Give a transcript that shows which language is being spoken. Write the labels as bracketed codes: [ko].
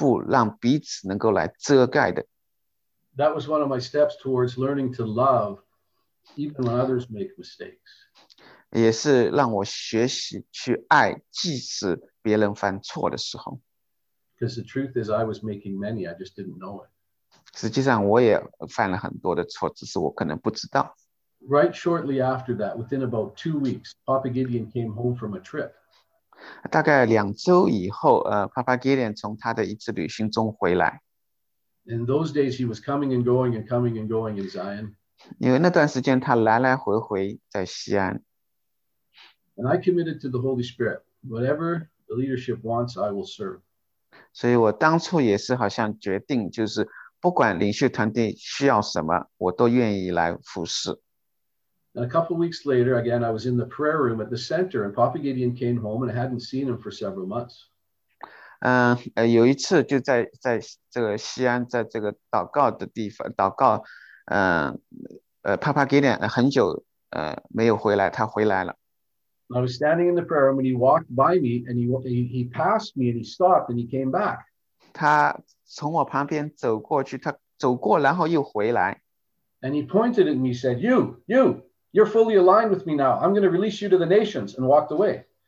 [zh] 这也是这一步让彼此能够来遮盖的。 [en] That was one of my steps towards learning to love even when others make mistakes. [zh] 也是让我学习去爱，即使别人犯错的时候。 [en] Because the truth is, I was making many, I just didn't know it. [zh] 实际上我也犯了很多的错，只是我可能不知道。 [en] Right shortly after that, within about 2 weeks, Papa Gideon came home from a trip. [zh] 大概2周以后，Papa Gideon 从他的一次旅行中回来。 [en] In those days, he was coming and going and coming and going in Zion. [zh] 因为那段时间他来来回回在西安。 [en] And I committed to the Holy Spirit. Whatever the leadership wants, I will serve. [zh] 所以我当初也是好像决定，就是不管领袖团队需要什么，我都愿意来服侍。 [en] And a couple weeks later, again, I was in the prayer room at the center, and Papa Gideon came home, and I hadn't seen him for several months. [zh] 有一次就在这个西安，在这个祷告的地方祷告，帕帕吉连很久没有回来，他回来了。 [en] I was standing in the prayer room, and he walked by me, and he passed me, and he stopped, and he came back. [zh] 他从我旁边走过去，他走过，然后又回来。 [en] And he pointed at me, said, you. You're fully aligned with me now. I'm going to release you to the nations, and walked away.